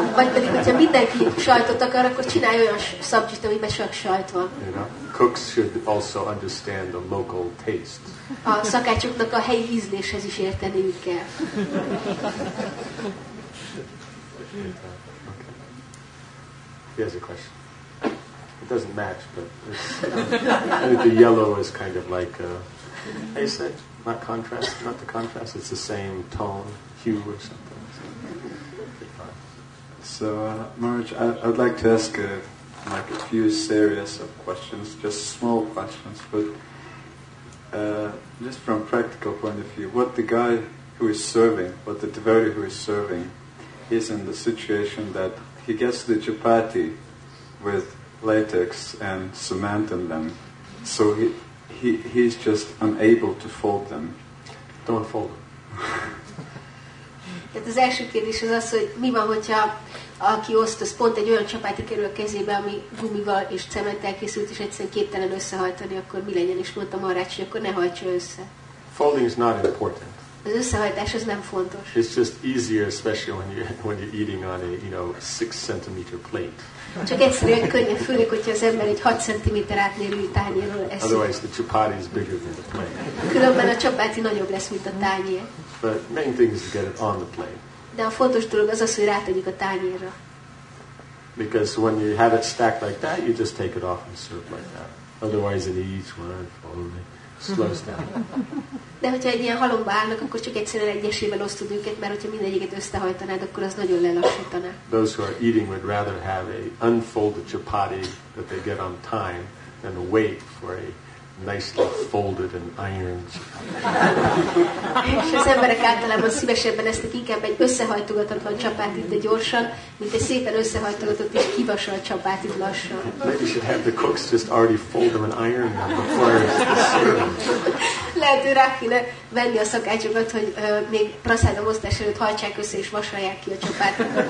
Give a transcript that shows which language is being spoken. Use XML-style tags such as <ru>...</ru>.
<hu>Vagy pedig, hogyha mindenki sajtot akar, akkor csinálj olyan subject, amiben csak sajt van.</hu> <en>You know, cooks should also understand the local taste.</en> <hu>A szakácsoknak a helyi ízléshez is érteniük kell.</hu> <en>Okay. Here's a question. It doesn't match, but it's, I think the yellow is kind of like a, how you say it? Not contrast, not the contrast, it's the same tone, hue or something. So, Maharaj, I'd like to ask a few series of questions, just small questions, but just from a practical point of view, what the guy who is serving, what the devotee who is serving, is in the situation that he gets the chapati with latex and cement in them, so he's just unable to fold them. Don't fold them.</en> <hu>Tehát az első kérdés az az, hogy mi van, hogyha aki oszt, az pont egy olyan csapáti kerül a kezébe, ami gumival és cementtel készült, és egyszerűen képtelen összehajtani, akkor mi legyen, és mondta Maharaj, akkor ne hajtsa össze.</hu> <en>Folding is not important.</en> <hu>Az összehajtás az nem fontos.</hu> <en>It's just easier, especially when you're eating on a, you know, 6 centimeter plate.</en> <hu>Csak egyszerűen könnyen főleg, hogyha az ember egy 6 cm átmérőjű tányérról eszik.</hu> <en>Otherwise the chapati is bigger than the plate.</en> <hu>Különben a csapáti nagyobb lesz, mint a tányér.</hu> <en>But main thing is to get it on the plate.</en> <hu>De a fontos dolog az az, hogy rátegyük a tányérra.</hu> <en>Because when you have it stacked like that, you just take it off and serve like that. Otherwise it eats one and falls, it slows down.</en> <hu>De hogyha egy ilyen halomba állnak, akkor csak egyszerűen egyesével osztod őket, mert hogyha mindegyiket összehajtanád, akkor az nagyon lelassítaná.</hu> <en>Those who are eating would rather have a unfolded chapati that they get on time than wait for a nicely folded and ironed.</en> <hu>És az emberek általában szívesebben esznek inkább egy összehajtogatatlan csapátit, de gyorsan, mint egy szépen összehajtogatott és kivasalt csapátit lassan.</hu> <en>Maybe you should have the cooks just already fold them and iron them before they serve them.</en> <hu>Lehet, hogy rá kéne venni a szakácsokat, hogy még praszádom osztás előtt hajtsák össze és vasalják ki a csapátit.</hu>